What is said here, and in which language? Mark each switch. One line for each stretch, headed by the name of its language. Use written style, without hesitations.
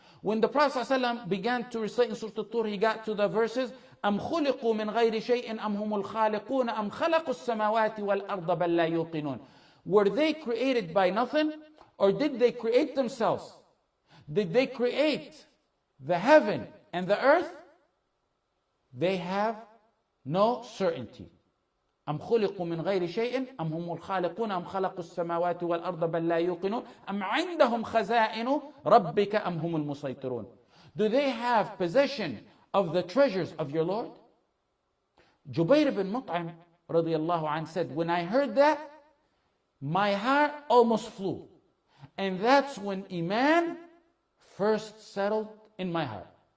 English: When the Prophet ﷺ began to recite in Surah Al-Tur, he got to the verses,
Arabic: أَمْ خُلِقُوا مِنْ غَيْرِ شَيْءٍ أَمْ هُمُ الْخَالِقُونَ أَمْ خَلَقُوا السَّمَاوَاتِ وَالْأَرْضَ بَلْ لَا يُوقِنُونَ.
English: Were they created by nothing? Or did they create themselves? Did they create the heaven and the earth? They have no certainty.
Arabic: أم خلقوا من غير شيء أم هم الخالقون أم خلقوا السماوات والأرض بل لا يوقنون أم عندهم خزائن ربك أم هم المسيطرون.
English: Do they have possession of the treasures of your Lord? Jubair ibn Mut'im رضي الله عنه said, when I heard that, my heart almost flew. And that's when Iman first settled in my heart.